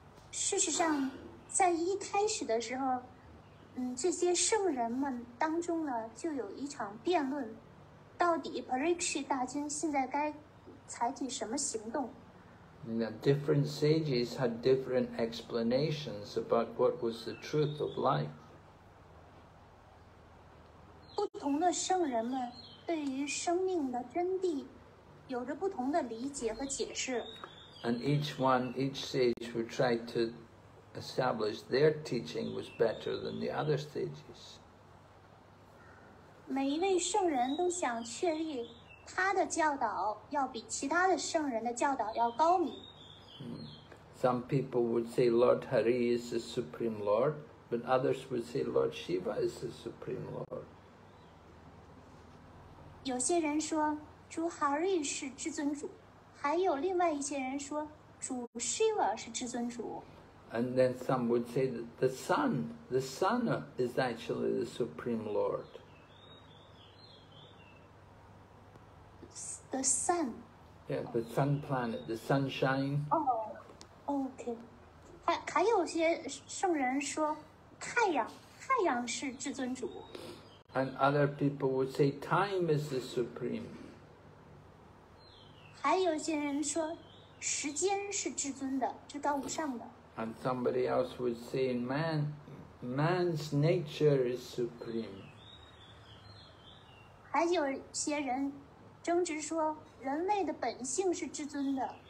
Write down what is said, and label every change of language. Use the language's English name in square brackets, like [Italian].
[Chinese] 事实上，在一开始的时候，这些圣人们当中呢，就有一场辩论，到底 Parikshit 大君现在该。采取什么行动？ [English] Different sages had different explanations about what was the truth of life. [Chinese] 不同的圣人们对于生命的真谛有着不同的理解和解释。 [English] And each sage who tried to establish their teaching was better than the other sages. [Chinese] 每一位圣人都想确立他的教导要比其他的圣人的教导要高明。 [English] Some people would say Lord Hari is the Supreme Lord, but others would say Lord Shiva is the Supreme Lord. [Chinese] 有些人说主 Hari 是至尊主，还有另外一些人说主 Shiva 是至尊主。 [English] And then some would say that the sun is actually the Supreme Lord. The sun. Yeah, the sun planet, the sunshine. Oh, okay. [Chinese] 还有些圣人说太阳是至尊主。 [English] And other people would say time is the supreme. [Chinese] 还有些人说时间是至尊的，至高无上的。 [English] And somebody else would say man's nature is supreme. [Chinese] 还有些人争执说人类的本性是至尊的。